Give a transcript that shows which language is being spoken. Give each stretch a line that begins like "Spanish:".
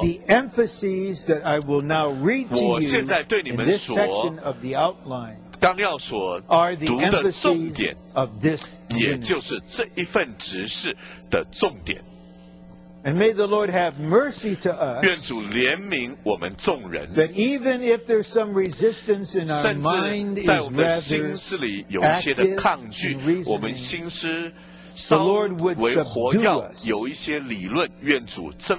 English: that the emphases that I will now read to you in this section of the outline,
Chinese: 纲要所读的重点
English: of this,
Chinese: 也就是这一份执事的重点。
English: And may the Lord have mercy to us.
Chinese: 愿主怜悯我们众人。
English: That even if there's some resistance in our mind, is rather active in reasoning. The Lord would subdue us